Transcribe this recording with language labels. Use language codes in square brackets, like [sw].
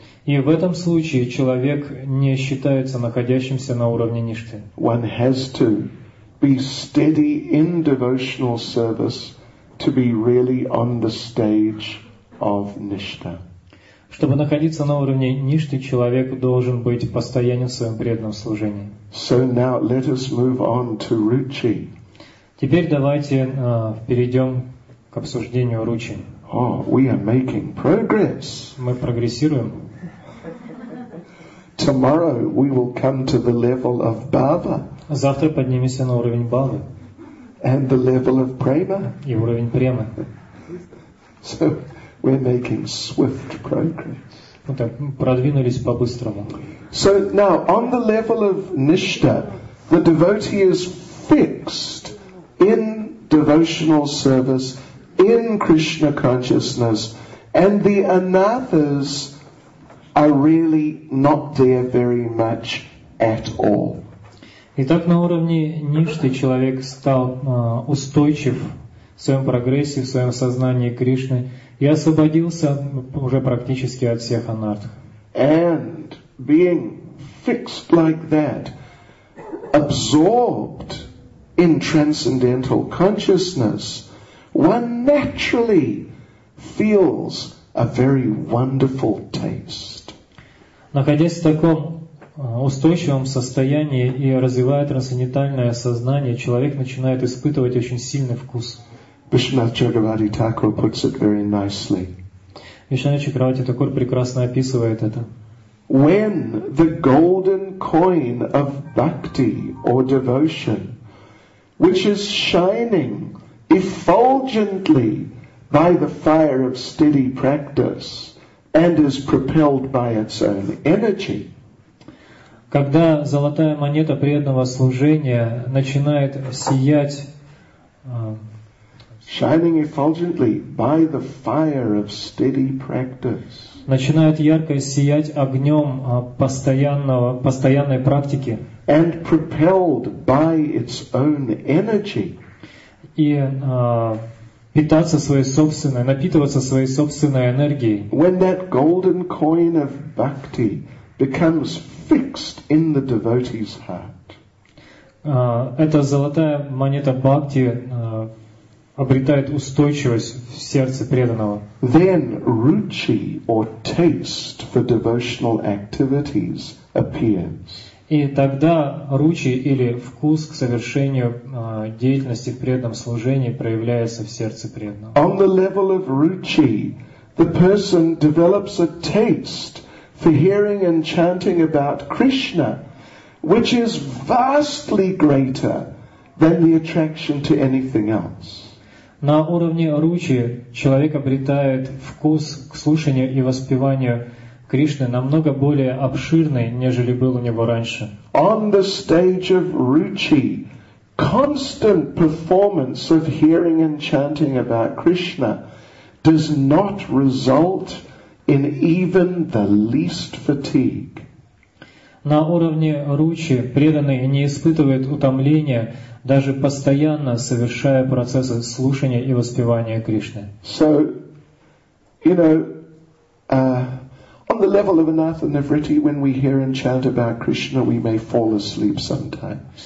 [ru] И в этом случае человек не считается находящимся на уровне ништы. [en] One has to be steady in devotional service to be really on the stage of nishta. [ru] Чтобы находиться на уровне ништы, человек должен быть постоянен в своем преданном служении. [en] So now let us move on to ruchi. [ru] Теперь давайте перейдем к обсуждению ручи. [en] Oh, we are making progress. [ru] Мы прогрессируем. [en] Tomorrow we will come to the level of bhava. [ru] Завтра поднимемся на уровень бхавы. [en] And the level of prema. [ru] И уровень премы. [en] So we're making swift progress. [ru] Ну так, продвинулись по-быстрому. [en] So now on the level of nishta, the devotee is fixed in devotional service, in Krishna consciousness, and the anathas are really not there very much at all. [ru] Итак, на уровне ништы человек стал устойчив в своем прогрессе, в своем сознании Кришны, и освободился уже практически от всех анарт. [en] And being fixed like that, absorbed in transcendental consciousness, one naturally feels a very wonderful taste. [ru] Находясь в таком устойчивом состоянии и развивая трансцендентальное сознание, человек начинает испытывать очень сильный вкус. [en] Vishwanath Chakravarti Thakur puts it very nicely. [ru] Vishwanath Chakravarti Thakur прекрасно описывает это. [en] When the golden coin of bhakti or devotion, which is shining effulgently by the fire of steady practice and is propelled by its own energy. [ru] Когда золотая монета преданного служения начинает сиять, [en] shining effulgently by the fire of steady practice. [ru] начинают ярко сиять огнем постоянной практики. [en] And propelled by its own energy. [ru] И питаться своей собственной, напитываться своей собственной энергией. [en] When that golden coin of bhakti becomes fixed in the devotee's heart. [ru] Эта золотая монета бхакти обретает устойчивость в сердце преданного. [en] Then ruchi or taste for devotional activities appears. [ru] И тогда ручи или вкус к совершению деятельности в преданном служении проявляется в сердце преданного. [en] On the level of ruchi, the person develops a taste for hearing and chanting about Krishna, which is vastly greater than the attraction to anything else. [ru] На уровне ручи человек обретает вкус к слушанию и воспеванию Кришны намного более обширный, нежели был у него раньше. [en] On the stage of ruchi, constant performance of hearing and chanting about Krishna does not result in even the least fatigue. [ru] На уровне ручи преданный не испытывает утомления, даже постоянно совершая процессы слушания и воспевания Кришны. [en] So, you know, on the level of anatta nivritti, when we hear and chant about Krishna, we may fall asleep sometimes.